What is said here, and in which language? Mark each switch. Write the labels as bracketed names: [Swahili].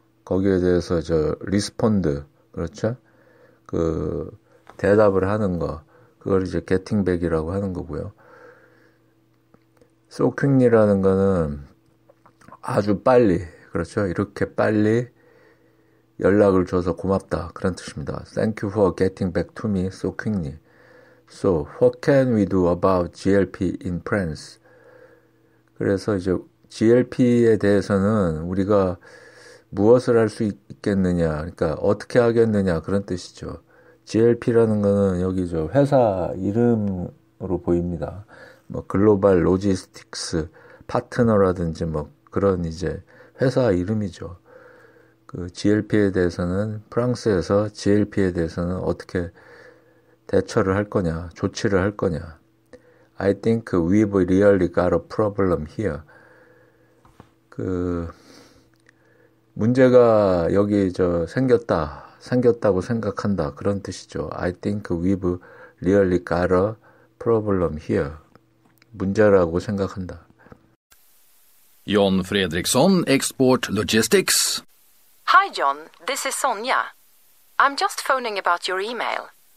[Korean] 거기에 대해서 저 리스폰드, 그렇죠? 그 대답을 하는 거. 그걸 이제 getting back이라고 하는 거고요. [English] So quickly [Korean] 라는 거는 아주 빨리, 그렇죠? 이렇게 빨리 연락을 줘서 고맙다. 그런 뜻입니다. [English] Thank you for getting back to me so quickly. So, what can we do about GLP in France? [Korean] 그래서 이제 GLP에 대해서는 우리가 무엇을 할 수 있겠느냐, 그러니까 어떻게 하겠느냐, 그런 뜻이죠. GLP라는 거는 여기 저 회사 이름으로 보입니다. 뭐 글로벌 로지스틱스 파트너라든지 뭐 그런 이제 회사 이름이죠. 그 GLP에 대해서는 프랑스에서 GLP에 대해서는 어떻게 대처를 할 거냐, 조치를 할 거냐. [English] I think we've really got a problem here. [Korean] 그 문제가 여기 저 생겼다고 생각한다. 그런 뜻이죠. [English] I think we've really got a problem here. [Korean] 문제라고 생각한다. [English] John Fredriksson, Export Logistics. Hi John, this is Sonja. I'm just phoning about your email.